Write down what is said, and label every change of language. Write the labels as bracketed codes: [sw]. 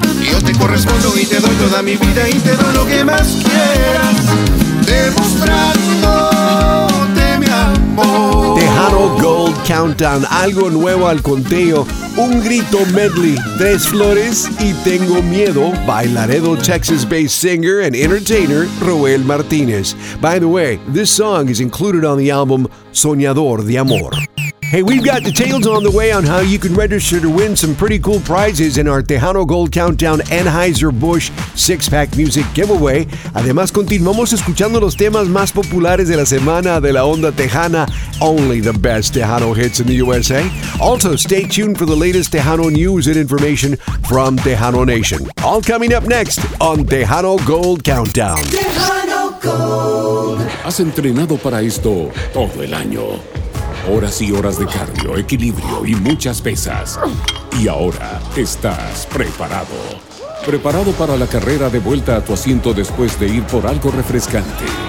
[es] Yo te correspondo y te doy toda mi vida y te doy lo que más quieras, demostrando de mi amor. Tejano Gold Countdown, algo nuevo al conteo. Un grito medley, tres flores y tengo miedo. [en] By Laredo, Texas-based singer and entertainer Roel Martinez. By the way, this song is included on the album Soñador de Amor. Hey, we've got details on the way on how you can register to win some pretty cool prizes in our Tejano Gold Countdown Anheuser-Busch six-pack music giveaway. [es] Además, continuamos escuchando los temas más populares de la semana de la onda tejana. [en] Only the best Tejano hits in the USA. Also, stay tuned for the latest Tejano news and information from Tejano Nation. All coming up next on Tejano Gold Countdown. Tejano Gold. [es] Has entrenado para esto todo el año. Horas y horas de cardio, equilibrio y muchas pesas. Y ahora estás preparado. Preparado para la carrera de vuelta a tu asiento después de ir por algo refrescante.